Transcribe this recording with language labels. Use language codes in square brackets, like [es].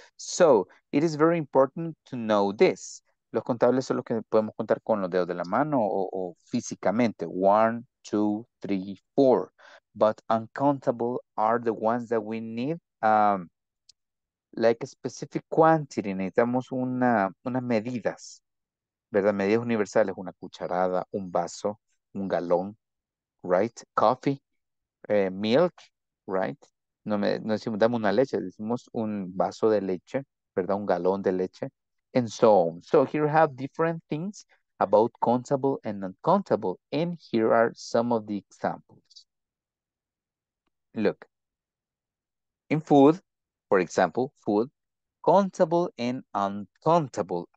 [en] So, it is very important to know this. [es] Los contables son los que podemos contar con los dedos de la mano o físicamente. [en] One, two, three, four. But uncountable are the ones that we need, like a specific quantity. [es] Necesitamos unas medidas, ¿verdad? Medidas universales, una cucharada, un vaso, un galón, right? [en] Coffee, milk, right? [es] no, me, no decimos dame una leche, decimos un vaso de leche, ¿verdad? Un galón de leche. [en] And so on. So here we have different things about countable and non-countable. And here are some of the examples. Look. In food, for example, food, countable and uncountable.